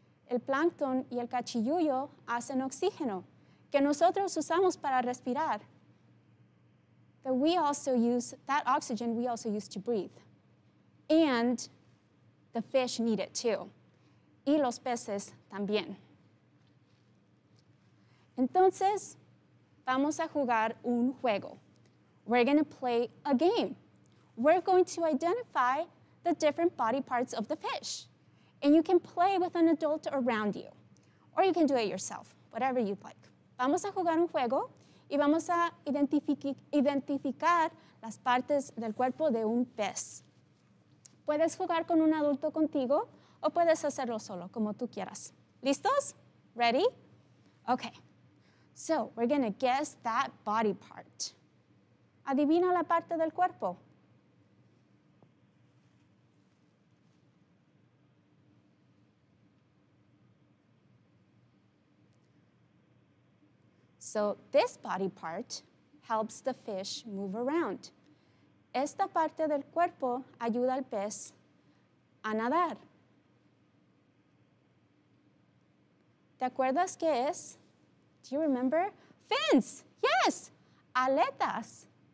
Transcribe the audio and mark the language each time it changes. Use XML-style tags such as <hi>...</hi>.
<es>El plankton y el cachiyuyo hacen oxígeno, que nosotros usamos para respirar.</es> <en>That we also use, that oxygen we also use to breathe. And the fish need it too.</en> <es>Y los peces también. Entonces, vamos a jugar un juego.</es> <en>We're going to play a game. We're going to identify the different body parts of the fish. And you can play with an adult around you. Or you can do it yourself, whatever you'd like.</en> <es>Vamos a jugar un juego y vamos a identificar las partes del cuerpo de un pez. Puedes jugar con un adulto contigo o puedes hacerlo solo, como tú quieras. ¿Listos? Ready? Okay.</es> <en>So, we're going to guess that body part.</en> <es>Adivina la parte del cuerpo.</es> <en>So, this body part helps the fish move around.</en> <es>Esta parte del cuerpo ayuda al pez a nadar. ¿Te acuerdas qué es?</es> <en>Do you remember? Fins! Yes!</en> <es>Aletas!</es>